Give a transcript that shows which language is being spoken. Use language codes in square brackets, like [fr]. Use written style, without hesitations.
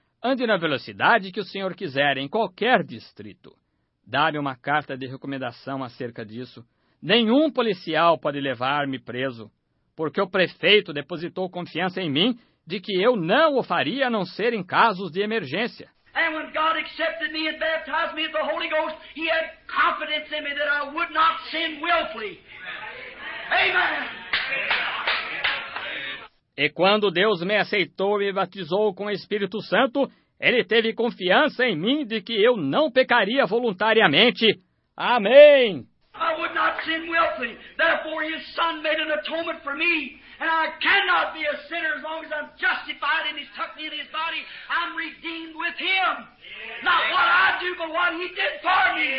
[pt] Ande na velocidade que o senhor quiser em qualquer distrito. Dá-me uma carta de recomendação acerca disso. Nenhum policial pode levar-me preso, porque o prefeito depositou confiança em mim de que eu não o faria a não ser em casos de emergência. [en] And when God accepted me and baptized me with the Holy Ghost, he had confidence in me that I would not sin willfully. Amen. [pt] E quando Deus me aceitou e batizou com o Espírito Santo, ele teve confiança em mim de que eu não pecaria voluntariamente. Amém. [en] I would not sin willfully. Therefore, his son made an atonement for me. And I cannot be a sinner as long as I'm justified and he's tucked me in his body. I'm redeemed with him. Not what I do, but what he did for me.